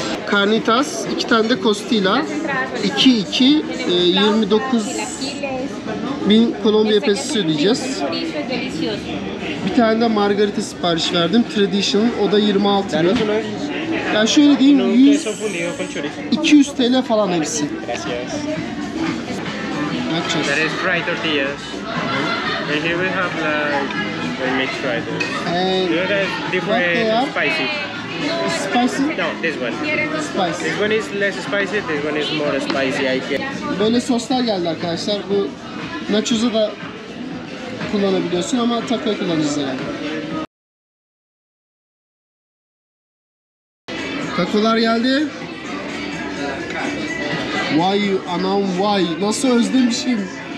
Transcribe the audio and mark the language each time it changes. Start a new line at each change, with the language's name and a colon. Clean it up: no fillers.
Turkish: Carnitas, iki tane de costilla. 2-2, 29 bin Kolombiya pesosu ödeyeceğiz. Bir tane de margarita sipariş verdim. Traditional. O da 26 lira. Yani şöyle diyeyim, 100-200 TL falan hepsi.
Spanish: Gracias.
English: That is fried tortillas. And here we have like mixed fried. And you have different spicy. Spicy? No, this one. Spicy. This one is less spicy, this one is more spicy. I guess.
Turkish: Böyle soslar geldi arkadaşlar. Bu nachos'u da kullanabiliyorsun ama taco kullanırız yani. Takolar geldi.
English: Why you,
Turkish: anam why? Nasıl özlemişim.